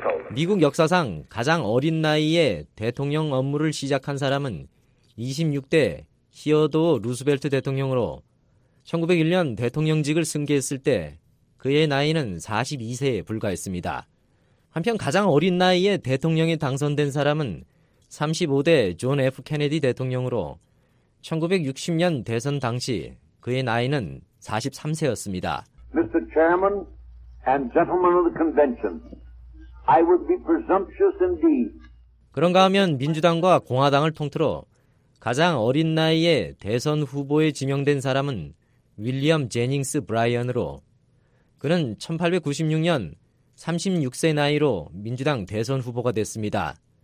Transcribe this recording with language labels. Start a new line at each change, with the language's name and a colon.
Korean: 미국 역사상 가장 어린 나이에 대통령 업무를 시작한 사람은 26대 히어도 루스벨트 대통령으로 1901년 대통령직을 승계했을 때 그의 나이는 42세에 불과했습니다. 한편 가장 어린 나이에 대통령에 당선된 사람은 35대 존 F. 케네디 대통령으로 1960년 대선 당시 그의 나이는 43세였습니다.
English: Mr. Chairman and gentlemen of the convention, I would be presumptuous indeed.
Korean: 그런가 하면 민주당과 공화당을 통틀어 가장 어린 나이에 대선 후보에 지명된 사람은 윌리엄 제닝스 브라이언으로 그는 1896년 36세 나이로 민주당 대선 후보가 됐습니다.